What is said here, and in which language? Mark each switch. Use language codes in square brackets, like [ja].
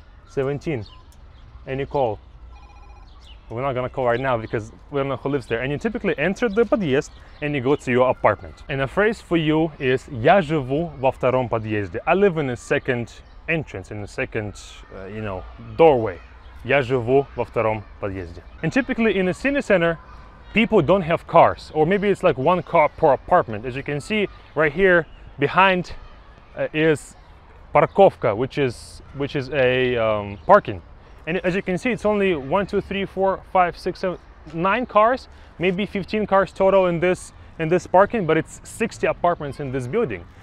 [en] 17, and you call. We're not gonna call right now because we don't know who lives there. And you typically enter the подъезд and you go to your apartment. And a phrase for you is [ru] я живу во втором подъезде. [en] I live in the second entrance, in the second, doorway. [ru] Я живу во втором подъезде. [en] And typically in a city center, people don't have cars, or maybe it's like one car per apartment. As you can see right here behind is парковка, which is a parking. And as you can see, it's only 1, 2, 3, 4, 5, 6, 7, 9 cars, maybe 15 cars total in this parking, but it's 60 apartments in this building.